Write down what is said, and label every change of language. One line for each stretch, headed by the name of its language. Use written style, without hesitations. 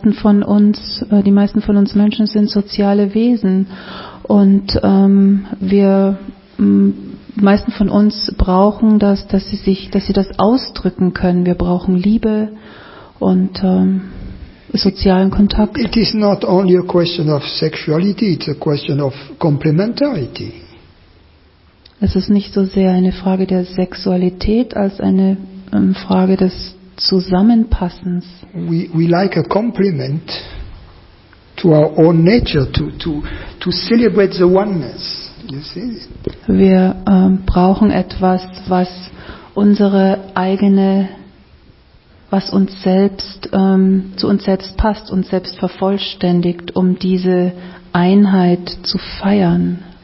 German: Die meisten von uns Menschen sind soziale Wesen und die meisten von uns brauchen das, dass sie das ausdrücken können. Wir brauchen Liebe und sozialen Kontakt.
English: It is not only a question of sexuality, it's a question of complementarity.
German: Es ist nicht so sehr eine Frage der Sexualität als eine Frage des Zusammenpassens.
English: We like a compliment to our own nature to celebrate the oneness. You see?
German: Wir brauchen etwas, was uns selbst passt, uns selbst vervollständigt, um diese Einheit zu feiern.